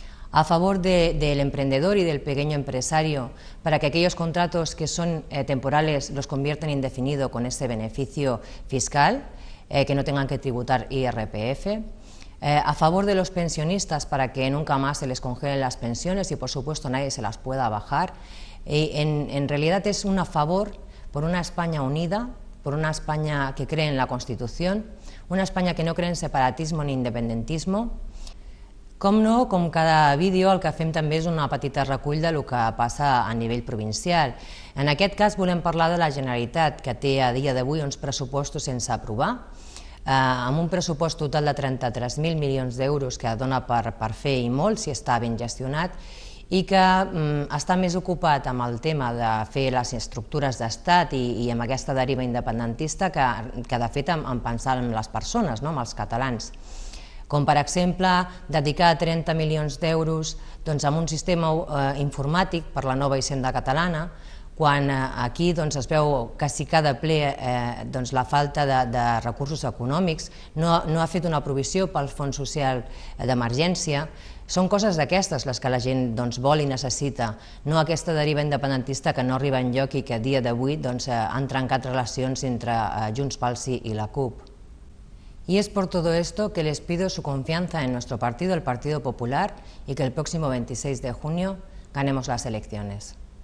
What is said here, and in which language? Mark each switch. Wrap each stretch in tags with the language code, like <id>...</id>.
<es>a favor del emprendedor y del pequeño empresario, para que aquellos contratos que son temporales los conviertan en indefinido con este beneficio fiscal, que no tengan que tributar IRPF, a favor de los pensionistas para que nunca más se les congelen las pensiones y, por supuesto, nadie se las pueda bajar. En realidad es un a favor por una España unida, por una España que cree en la Constitución, una España que no cree en separatismo ni independentismo.</es> <ca>Com no, com cada vídeo, el que fem també és una petita recull del que passa a nivell provincial. En aquest cas volem parlar de la Generalitat, que té a dia d'avui uns pressupostos sense aprovar, amb un pressupost total de 33.000 milions d'euros que dona per fer i molt si està ben gestionat, i que està més ocupat amb el tema de fer les estructures d'estat i amb aquesta deriva independentista que de fet en pensar en les persones, no, en els catalans. Com per exemple dedicar 30 milions d'euros doncs, a un sistema informàtic per la nova hisenda catalana, quan aquí doncs, es veu quasi cada ple doncs, la falta de recursos econòmics, no ha fet una provisió pel Fons Social d'Emergència. Són coses d'aquestes les que la gent doncs, vol i necessita, no aquesta deriva independentista que no arriba enlloc i que a dia d'avui doncs, han trencat relacions entre Junts pel Sí i la CUP.</ca> <es>Y es por todo esto que les pido su confianza en nuestro partido, el Partido Popular, y que el próximo 26 de junio ganemos las elecciones.</es>